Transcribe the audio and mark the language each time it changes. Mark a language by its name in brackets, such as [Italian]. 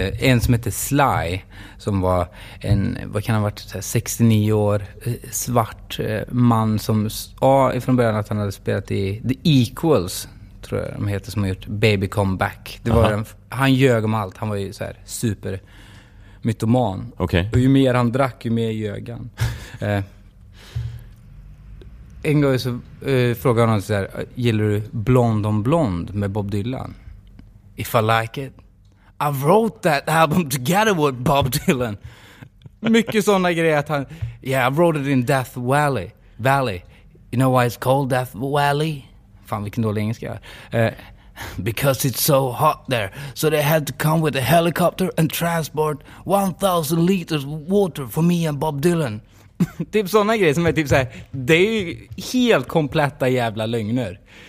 [Swedish] En som heter Sly, som var en, vad kan han ha varit, 69 år, svart man som sa ifrån början att han hade spelat i The Equals, tror jag de heter, som har gjort Baby Comeback. Det var han ljög om allt, han var ju så här super... mytoman. [English] Okay. [Swedish] Och ju mer han drack, ju mer ljög han. En gång så frågade han så här: gillar du Blond on Blond med Bob Dylan? [English] If I like it, I wrote that album together with Bob Dylan. [Swedish] Mycket sådana grejer att han... [English] Yeah, I wrote it in Death Valley. You know why it's called Death Valley? [Swedish] Fan, vilken dålig engelska. [English] Because it's so hot there, so they had to come with a helicopter and transport 1,000 liters water for me and Bob Dylan. [Swedish] Typ sådana grejer som är typ så här, det är ju helt kompletta jävla lögner.